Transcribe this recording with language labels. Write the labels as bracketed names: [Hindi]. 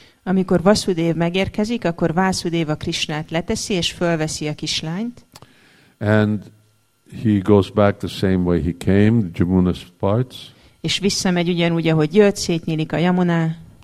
[Hungarian] Amikor Vasudev megérkezik, akkor Vasudeva Krishnát leteszi és fölveszi a kislányt. [English] And he goes back the same way he came, Jamuna parts. [Hungarian] És visszamegy ugyanúgy, ahogy jött, szétnyílik a Yamuna.